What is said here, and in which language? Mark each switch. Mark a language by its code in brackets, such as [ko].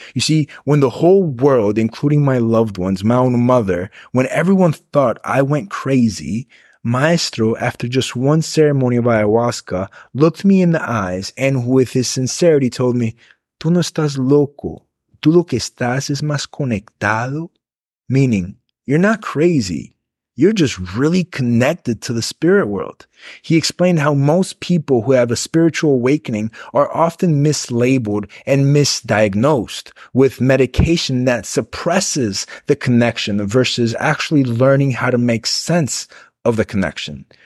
[en] You see, when the whole world, including my loved ones, my own mother, when everyone thought I went crazy, Maestro, after just one ceremony of ayahuasca, looked me in the eyes and with his sincerity told me, [es] "Tú no estás loco. Tú lo que estás es más conectado." [en] Meaning, you're not crazy. You're just really connected to the spirit world. He explained how most people who have a spiritual awakening are often mislabeled and misdiagnosed with medication that suppresses the connection versus actually learning how to make sense of the connection.